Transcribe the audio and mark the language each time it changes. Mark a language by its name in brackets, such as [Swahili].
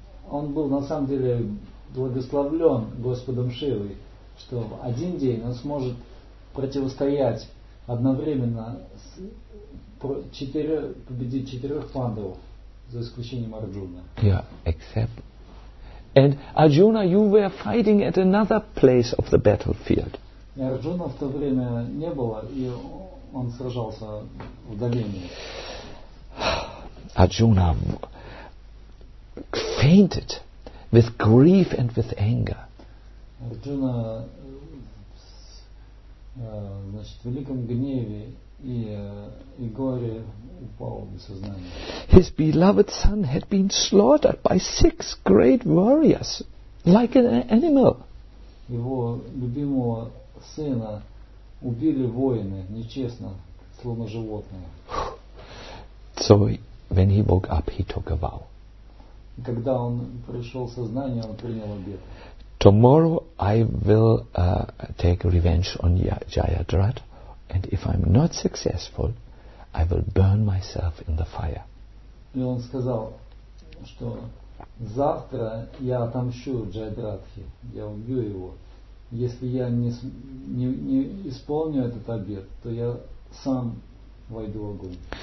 [Russian] Он был на самом деле благословлен Господом Шивой, что в один день он сможет противостоять одновременно победить четырех пандов, за исключением Арджуны. [English] Yeah, except. And Arjuna, you were fighting at another place of the battlefield. [Russian] И Арджуна в то время не было, и он сражался в долине. [English] Arjuna fainted with grief and with anger. [Russian] Arjuna, значит, в великом гневе и горе упал без сознания. [English] His beloved son had been slaughtered by six great warriors, like an animal. [Russian] Его любимого сына убили воины нечестно, словно животное. [English] So when he woke up, he took a vow. [Russian] Когда он пришел в сознание, он принял обет. [English] Tomorrow I will take revenge on Jayadrat, and if I'm not successful, I will burn myself in the fire. [Russian] И он сказал, что завтра я отомщу Джайадратхе, я убью его. Если я не исполню этот обет, то я сам войду в огонь.